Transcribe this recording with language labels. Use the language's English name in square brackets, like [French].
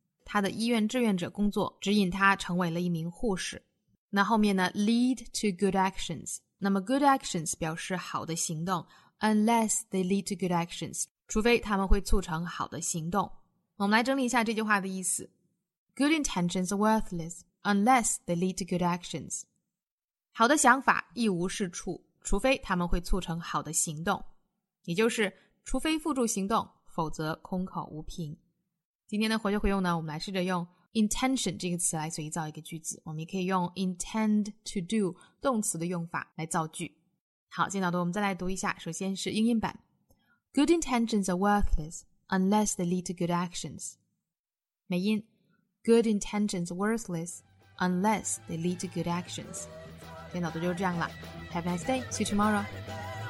[Chinese] 他的医院志愿者工作指引他成为了一名护士。那后面呢 [English] Lead to good actions. [Chinese] 那么 good actions 表示好的行动， [English] Unless they lead to good actions， [Chinese] 除非他们会促成好的行动。我们来整理一下这句话的意思。 [English] Good intentions are worthless unless they lead to good actions. [Chinese] 好的想法一无是处，除非他们会促成好的行动。也就是，除非付诸行动，否则空口无凭。今天的活学活用呢，我们来试着用 intention 这个词来随意造一个句子。我们也可以用 intend to do 动词的用法来造句。好，今天的我们再来读一下，首先是英音版。 [English] Good intentions are worthless unless they lead to good actions. [Chinese] 美音。 [English] Good intentions are worthless unless they lead to good actions. [Chinese] 今天早读就是这样了。 [English] Have a nice day. See you tomorrow.